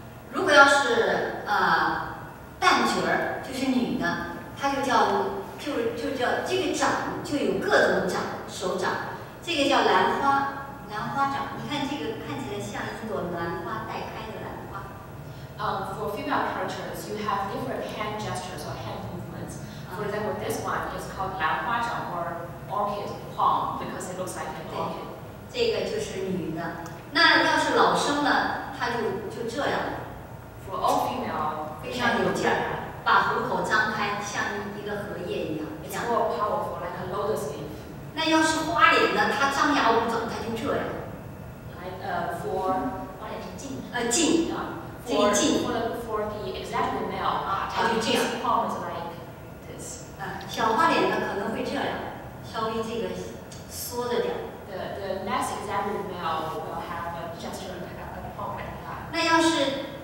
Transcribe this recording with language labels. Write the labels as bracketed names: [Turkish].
[Chinese] 如果要是旦角儿，就是女的，她就叫就叫这个掌就有各种掌手掌，这个叫兰花掌。你看这个看起来像一朵兰花带开的兰花。 [English] For female characters, you have different hand gestures or hand movements. For example, this one is called Lan Hua Zhang or Orchid Palm because it looks like an orchid. [Chinese] 这个就是女的。那要是老生呢，他就这样。 [English] For all female, [Chinese] 非常有劲儿，把虎口张开，像一个荷叶一样。 [English] It's more powerful, like a lotus leaf. [Chinese] 那要是花脸呢，他张牙舞爪，他就这样。 [English] Like for [Chinese] 花脸是镜。镜。 [English] For the exaggerated male, [Chinese] 他就这样。 [English] His palm is like this. [Chinese] 小花脸呢可能会这样，稍微这个缩着点。 [English] The next exaggerated male will have a gesture like a palm like that.